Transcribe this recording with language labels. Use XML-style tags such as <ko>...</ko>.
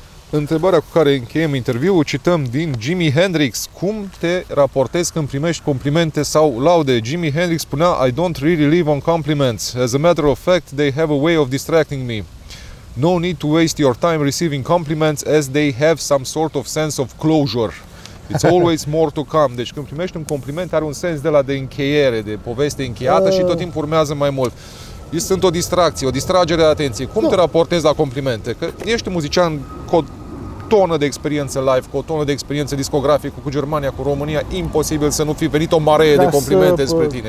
<ro>Întrebarea cu care încheiem interviul, cităm din Jimi Hendrix. Cum te raportezi când primești complimente sau laude? Jimi Hendrix spunea,</ro> <en>I don't really live on compliments. As a matter of fact, they have a way of distracting me. No need to waste your time receiving compliments as they have some sort of sense of closure. It's always more to come.</en> <ro>Deci când primești un compliment are un sens de la de încheiere, de poveste încheiată și tot timpul urmează mai mult. Sunt o distracție, o distragere de atenție. Cum te raportezi la complimente? Că ești un muzician cu o tonă de experiență live, cu o tonă de experiență discografică, cu Germania, cu România, imposibil să nu fi venit o maree de complimente spre tine.</ro>